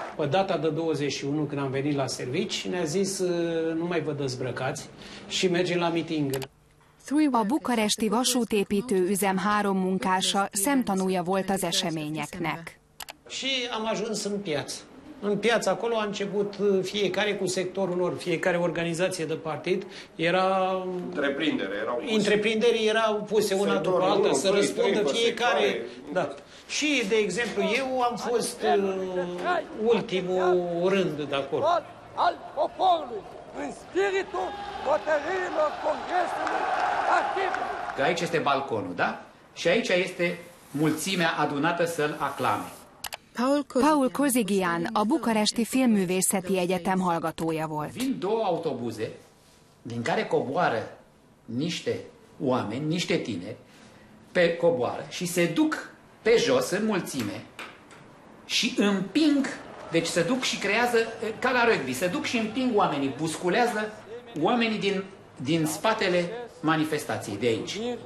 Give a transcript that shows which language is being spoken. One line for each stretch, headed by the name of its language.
Romanian: Data de 21, când am venit la servici, ne-a zis, nu mai vă dezbrăcați și mergem la miting.
Hungarian: A bukaresti vasútépítő üzem három munkása szemtanúja volt az eseményeknek.
Romanian: Și am ajuns în piață. În piață acolo a început fiecare cu sectorul lor, fiecare organizație de partid. Era... Întreprinderii erau puse una după alta să răspundă fiecare... Da. Și, de exemplu, eu am fost ultimul rând de acolo. Al poporului, în spiritul hotărârilor congresului activului. Că aici este balconul, da? Și aici este mulțimea adunată să-l aclame.
Hungarian: Paul Kozigian, a Bukaresti Filmművészeti Egyetem hallgatója volt.
Romanian: Vin două autobuze, din care coboară niște oameni, niște tineri, pe coboară și se duc pe jos, în mulțime, și împing, deci se duc și creează, ca la rugby, se duc și împing oamenii, busculează oamenii din spatele manifestației de aici.